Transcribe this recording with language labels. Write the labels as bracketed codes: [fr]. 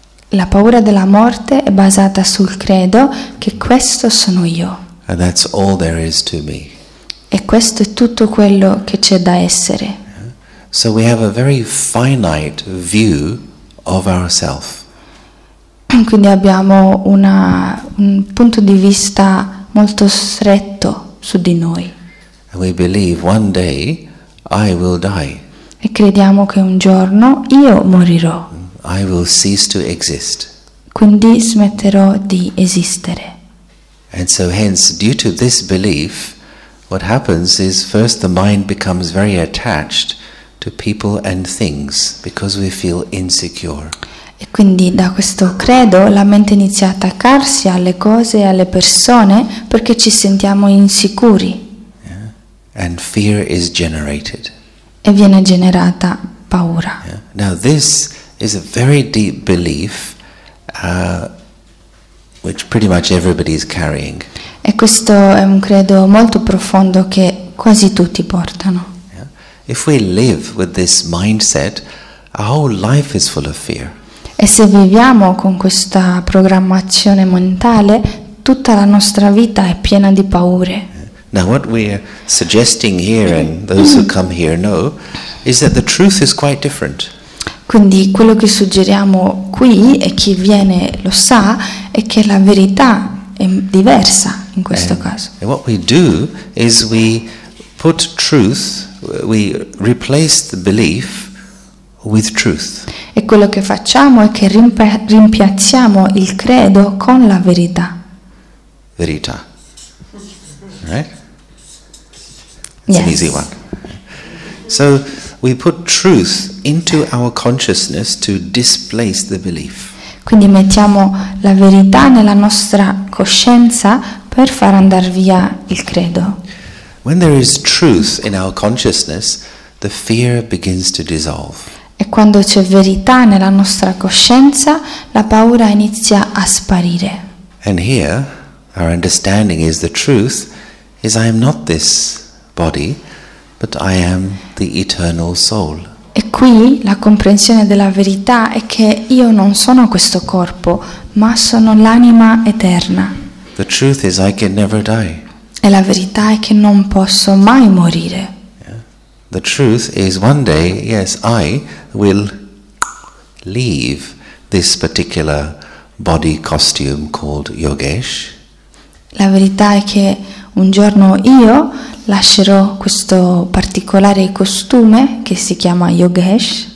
[it] La paura della morte è basata sul credo che questo sono io. [en] And that's all there is to me. [it] E questo è tutto quello che c'è da essere. [en] So we have a very finite view of ourself. [it] Quindi abbiamo un punto di vista molto stretto su di noi. [en] And we believe one day I will die. [it] E crediamo che un giorno io morirò. [en] I will cease to exist. [it] Quindi smetterò di esistere. [en] And so hence, due to this belief, what happens is first the mind becomes very attached to people and things because we feel insecure. [it] E quindi da questo credo la mente inizia a attaccarsi alle cose e alle persone perché ci sentiamo insicuri. [en] Yeah. And fear is generated. [it] E viene generata paura. [en] Yeah. Now this is a very deep belief which pretty much everybody is carrying. [it] E questo è un credo molto profondo che quasi tutti portano. [en] Yeah. If we live with this mindset, our whole life is full of fear. [it] E se viviamo con questa programmazione mentale, tutta la nostra vita è piena di paure. [en] Now what we are suggesting here and those who come here know is that the truth is quite different. [it] Quindi quello che suggeriamo qui e chi viene lo sa è che la verità è diversa in questo caso. [en] And what we do is we put truth, we replace the belief with truth. [it] E quello che facciamo è che rimpiazziamo il credo con la verità. [en] Verità. Right? It's An easy one. So we put truth into our consciousness to displace the belief. [it] Quindi mettiamo la verità nella nostra coscienza per far andar via il credo. [en] When there is truth in our consciousness, the fear begins to dissolve. [it] E quando c'è verità nella nostra coscienza, la paura inizia a sparire. [en] And here, our understanding is the truth is I am not this body, but I am the eternal soul. [it] E qui la comprensione della verità è che io non sono questo corpo, ma sono l'anima eterna. [en] The truth is I can never die. [it] E la verità è che non posso mai morire. [en] The truth is one day, yes, I will leave this particular body costume called Yogesh. [it] La verità è che un giorno io lascerò questo particolare costume che si chiama Yogesh.